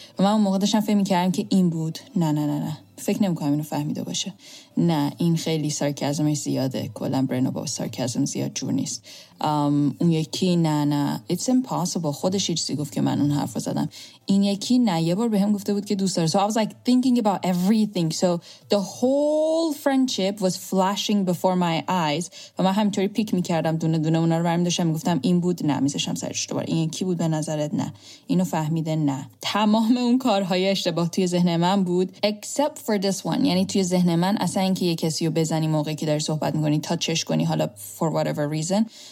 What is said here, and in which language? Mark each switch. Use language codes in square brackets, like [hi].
[fa] و من موقع داشتم فهمی کردم که این بود، نه فکر نمیکنم اینو فهمیده باشه، نه این خیلی سارکازمش زیاده، کلا برنو با سارکازم زیاد جور نیست. اون یکی نه نه [en] it's impossible [fa] خودش یه چیزی گفت که من اون حرف رو زدم. این یکی نه یه بار به هم گفته بود که دوست داره. [en] So I was like thinking about everything. So the whole friendship was flashing before my eyes. [fa] و من همینطوری پیک میکردم دونه دونه اونا رو برمی داشتم میگفتم این بود نه میذاشم سرش دوباره. این یکی بود به نظرت نه. اینو فهمیده نه. تمام اون کارهای اشتباه توی ذهن من بود. [en] Except for this one. [fa] یعنی توی ذهن من اصلا این که یه کسی رو بزنی موقعی که داری صحبت میکنی تاچش کنی حالا [en] for whatever reason.